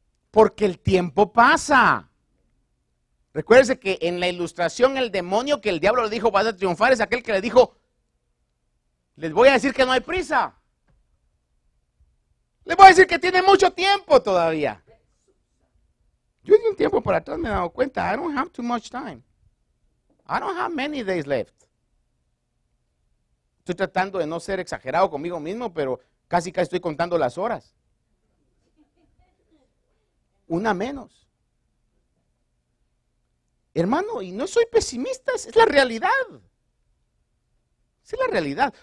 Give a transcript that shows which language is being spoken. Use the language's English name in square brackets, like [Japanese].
[Spanish] Porque el tiempo pasa. Recuérdese que en la ilustración el demonio que el diablo le dijo vas a triunfar es aquel que le dijo, les voy a decir que no hay prisa. Les voy a decir que tiene mucho tiempo todavía. Yo de un tiempo para atrás me he dado cuenta, [English] I don't have too much time. I don't have many days left. [Spanish] Estoy tratando de no ser exagerado conmigo mismo, pero casi casi estoy contando las horas. Una menos. Hermano, y no soy pesimista, es la realidad. Es la realidad.